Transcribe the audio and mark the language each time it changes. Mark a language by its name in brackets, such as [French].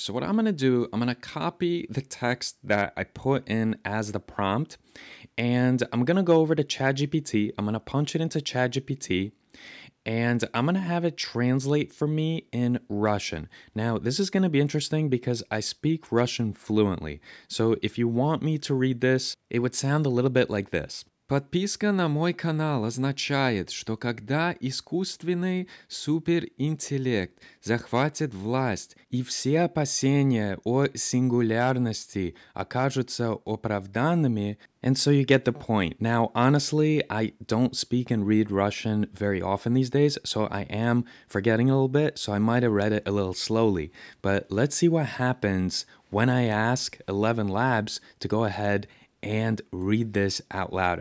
[English] So what I'm gonna do, I'm gonna copy the text that I put in as the prompt, and I'm gonna go over to ChatGPT. I'm gonna punch it into ChatGPT, and I'm gonna have it translate for me in Russian. Now, this is gonna be interesting because I speak Russian fluently. So if you want me to read this, it would sound a little bit like this. [Russian] Подписка на мой канал означает, что когда искусственный суперинтеллект захватит власть и все опасения о сингулярности окажутся оправданными. [English] And so you get the point. Now, honestly, I don't speak and read Russian very often these days, so I am forgetting a little bit, so I might have read it a little slowly. But let's see what happens when I ask ElevenLabs to go ahead and read this out loud.